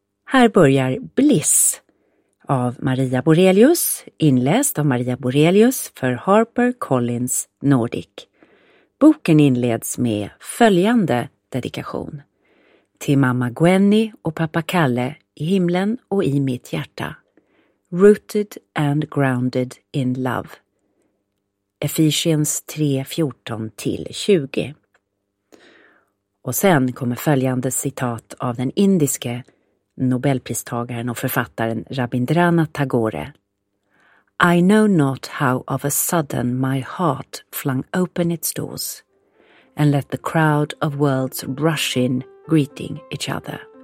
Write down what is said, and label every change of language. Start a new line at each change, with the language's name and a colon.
Swedish: Här börjar Bliss av Maria Borelius, inläst av Maria Borelius för Harper Collins Nordic. Boken inleds med följande dedikation: till mamma Gwenny och pappa Kalle i himlen och i mitt hjärta.
English: Rooted and grounded in love.
Swedish: Efesiens 3:14-20. Och sen kommer följande citat av den indiske Nobelpristagaren och författaren Rabindranath Tagore.
English: I know not how of a sudden my heart flung open its doors and let the crowd of worlds rush in greeting each other.